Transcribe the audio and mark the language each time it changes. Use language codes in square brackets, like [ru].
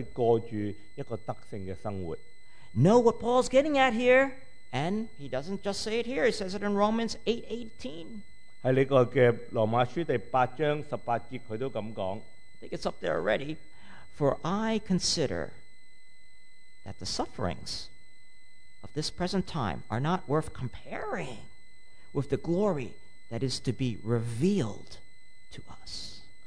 [zh] 就算你在最困难的时候, [en] know what Paul's getting at here, and he doesn't just say it here, he says it in Romans 8:18. [zh] 在这个罗马书第8章18节他都这么说, [en] I think it's up there already. For I consider that the sufferings of this present time are not worth comparing with the glory that is to be revealed to us.